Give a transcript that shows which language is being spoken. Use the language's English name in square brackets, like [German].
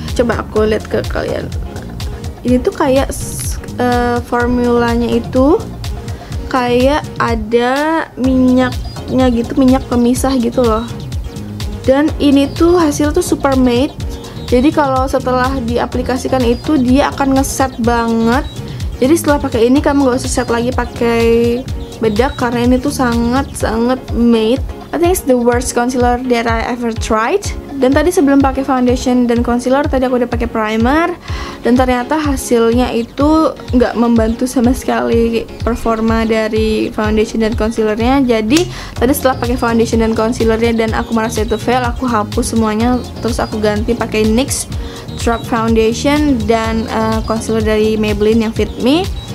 [Indonesian] Coba aku lihat ke kalian. Ini tuh kayak formulanya itu kayak ada minyaknya gitu, minyak pemisah gitu loh. Dan ini tuh hasil tuh super matte. Jadi kalau setelah diaplikasikan itu dia akan ngeset banget. Jadi setelah pakai ini kamu gak usah set lagi pakai bedak karena ini tuh sangat-sangat matte. [English] I think it's the worst concealer that I ever tried. [Indonesian] Dan tadi sebelum pakai foundation dan concealer, tadi aku udah pakai primer dan ternyata hasilnya itu nggak membantu sama sekali performa dari foundation dan concealernya. Jadi tadi setelah pakai foundation dan concealernya dan aku merasa itu fail, aku hapus semuanya, terus aku ganti pakai NYX Drop Foundation dan concealer dari Maybelline yang Fit Me.